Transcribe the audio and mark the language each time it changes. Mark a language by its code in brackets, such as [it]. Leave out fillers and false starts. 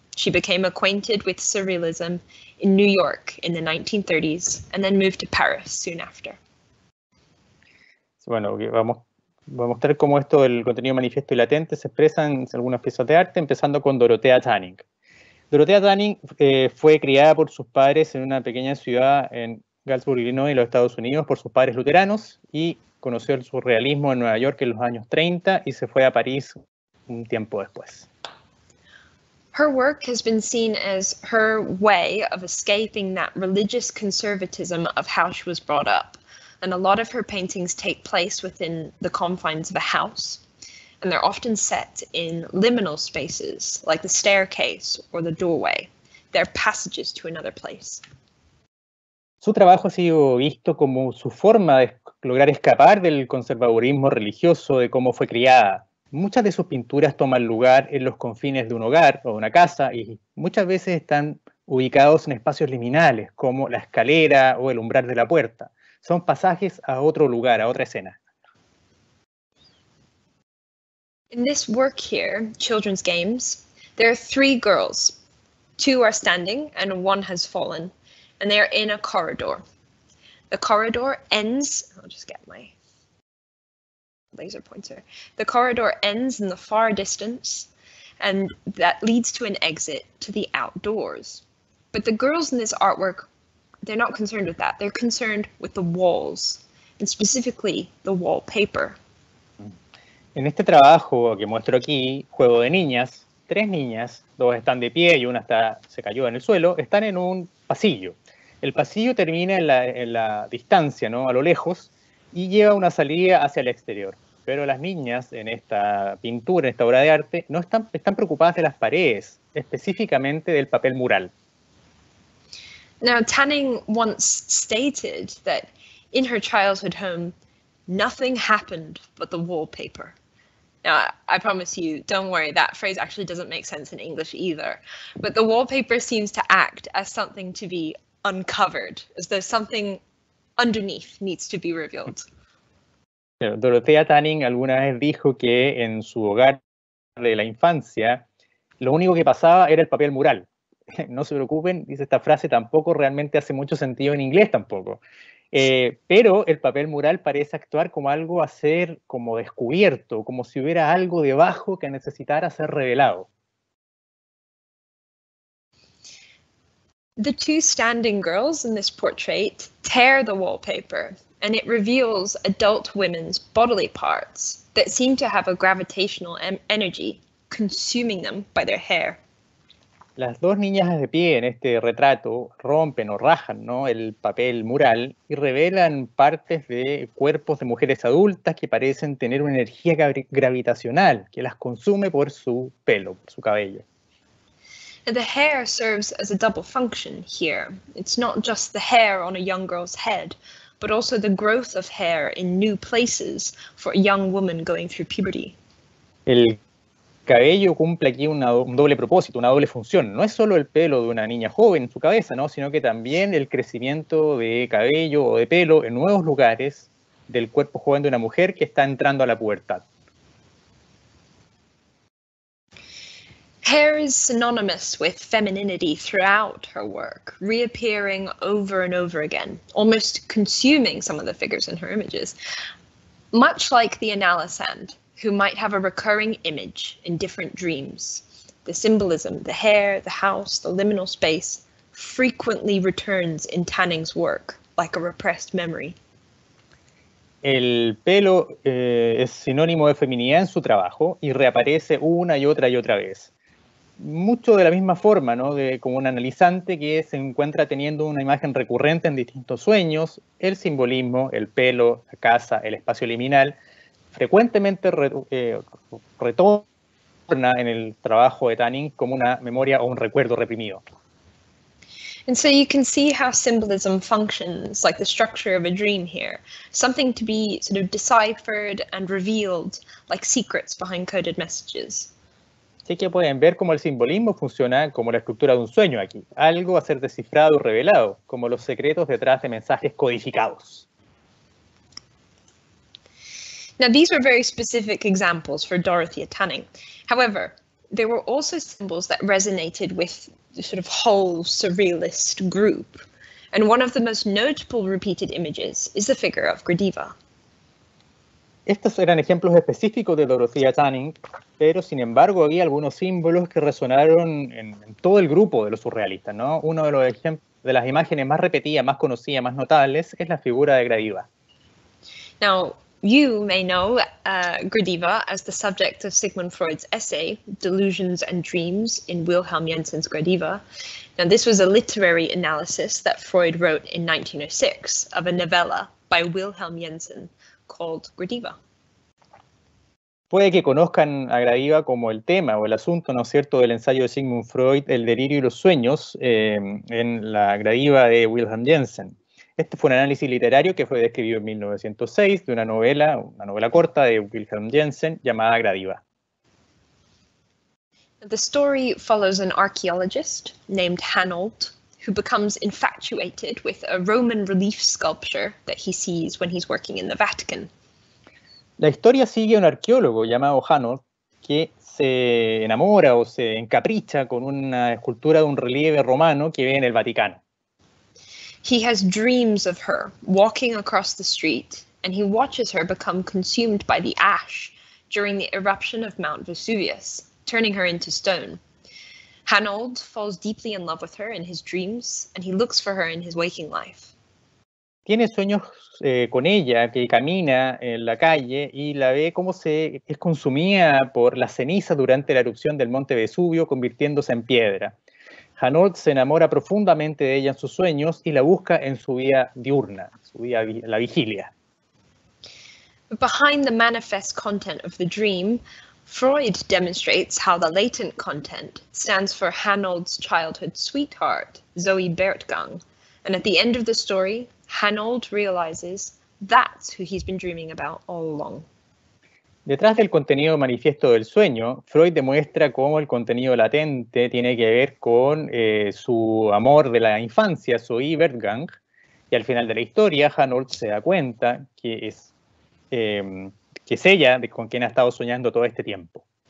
[en] She became acquainted with surrealism in New York in the 1930s and then moved to Paris soon after. [es] Bueno, vamos a mostrar cómo esto del contenido manifiesto y latente se expresa en algunas piezas de arte, empezando con Dorothea Tunning. Dorothea Tunning fue criada por sus padres en una pequeña ciudad en Galesburg, Illinois, en los Estados Unidos, por sus padres luteranos, y conoció el surrealismo en Nueva York en los años 30 y se fue a París un tiempo después. [en] Her work has been seen as her way of escaping that religious conservatism of how she was brought up. And a lot of her paintings take place within the confines of a house, and they're often set in liminal spaces, like the staircase or the doorway. They're passages to another place. [es] Su trabajo ha sido visto como su forma de lograr escapar del conservadurismo religioso de cómo fue criada. Muchas de sus pinturas toman lugar en los confines de un hogar o de una casa y muchas veces están ubicados en espacios liminales, como la escalera o el umbral de la puerta. Son pasajes a otro lugar, a otra escena. [en] In this work here, Children's Games, there are three girls. Two are standing and one has fallen, and they are in a corridor. The corridor ends, I'll just get my laser pointer. The corridor ends in the far distance, and that leads to an exit to the outdoors. But the girls in this artwork, they're not concerned with that. They're concerned with the walls, and specifically the wallpaper. [es] En este trabajo que muestro aquí, Juego de Niñas, tres niñas, dos están de pie y una está, se cayó en el suelo, están en un pasillo. El pasillo termina en la distancia, ¿no? A lo lejos, y lleva una salida hacia el exterior. Pero las niñas en esta pintura, en esta obra de arte, no están preocupadas de las paredes, específicamente del papel mural. [en] Now, Tunning once stated that in her childhood home, nothing happened but the wallpaper. Now, I promise you, don't worry, that phrase actually doesn't make sense in English either. But the wallpaper seems to act as something to be uncovered, as though something underneath needs to be revealed. [es] Dorothea Tunning alguna vez dijo que en su hogar de la infancia, lo único que pasaba era el papel mural. No se preocupen, dice esta frase, tampoco realmente hace mucho sentido en inglés tampoco. Pero el papel mural parece actuar como algo a ser como descubierto, como si hubiera algo debajo que necesitara ser revelado. [en] The two standing girls in this portrait tear the wallpaper and it reveals adult women's bodily parts that seem to have a gravitational energy consuming them by their hair. [es] Las dos niñas de pie en este retrato rompen o rajan, ¿no?, el papel mural y revelan partes de cuerpos de mujeres adultas que parecen tener una energía gravitacional que las consume por su pelo, por su cabello. [en] The hair serves as a double function here. It's not just the hair on a young girl's head, but also the growth of hair in new places for a young woman going through puberty. [es] El cabello cumple aquí un doble propósito, una doble función. No es solo el pelo de una niña joven en su cabeza, ¿no?, sino que también el crecimiento de cabello o de pelo en nuevos lugares del cuerpo joven de una mujer que está entrando a la pubertad. [en] Hair is synonymous with femininity throughout her work, reappearing over and over again, almost consuming some of the figures in her images. Much like the Analysand, who might have a recurring image in different dreams. The symbolism, the hair, the house, the liminal space, frequently returns in Tunning's work, like a repressed memory. [es] El pelo es sinónimo de feminidad en su trabajo y reaparece una y otra vez. Mucho de la misma forma, ¿no?, de como un analizante que se encuentra teniendo una imagen recurrente en distintos sueños, el simbolismo, el pelo, la casa, el espacio liminal, frecuentemente retoma retorna en el trabajo de Tanning como una memoria o un recuerdo reprimido. [en] And so you can see how symbolism functions, like the structure of a dream here. Something to be sort of deciphered and revealed, like secrets behind coded messages. [es] Así que pueden ver cómo el simbolismo funciona como la estructura de un sueño aquí. Algo a ser descifrado, revelado, como los secretos detrás de mensajes codificados. [en] Now, these were very specific examples for Dorothea Tanning. However, there were also symbols that resonated with the sort of whole surrealist group. And one of the most notable repeated images is the figure of Gradiva. [es] Estos eran ejemplos específicos de Dorothea Tanning, pero sin embargo había algunos símbolos que resonaron en todo el grupo de los surrealistas, ¿no? Uno de los ejemplos de las imágenes más repetidas, más conocidas, más notables es la figura de Gradiva. [en] Now, you may know Gradiva as the subject of Sigmund Freud's essay Delusions and Dreams in Wilhelm Jensen's Gradiva. Now, this was a literary analysis that Freud wrote in 1906 of a novella by Wilhelm Jensen called Gradiva. [es] Puede que conozcan a Gradiva como el tema o el asunto, ¿no es cierto?, del ensayo de Sigmund Freud, El delirio y los sueños, en la Gradiva de Wilhelm Jensen. Este fue un análisis literario que fue describido en 1906 de una novela corta de Wilhelm Jensen llamada Gradiva. [en] The story follows an archaeologist named Hanold, who becomes infatuated with a Roman relief sculpture that he sees when he's working in the Vatican. [es] La historia sigue a un arqueólogo llamado Hanold que se enamora o se encapricha con una escultura de un relieve romano que ve en el Vaticano. [en] He has dreams of her walking across the street, and he watches her become consumed by the ash during the eruption of Mount Vesuvius, turning her into stone. Hanold falls deeply in love with her in his dreams, and he looks for her in his waking life. [es] Tiene sueños con ella, que camina en la calle y la ve como se es consumida por la ceniza durante la erupción del Monte Vesubio, convirtiéndose en piedra. Hanold se enamora profundamente de ella en sus sueños y la busca en su vida diurna, su vida la vigilia. [en] Behind the manifest content of the dream, Freud demonstrates how the latent content stands for Hanold's childhood sweetheart, Zoe Bertgang. And at the end of the story, Hanold realizes that's who he's been dreaming about all along. [es] Detrás del contenido manifiesto del sueño, Freud demuestra cómo el contenido latente tiene que ver con su amor de la infancia, Zoe Bertgang, y al final de la historia, Hanold se da cuenta que es ella con quien ha estado soñando todo este tiempo.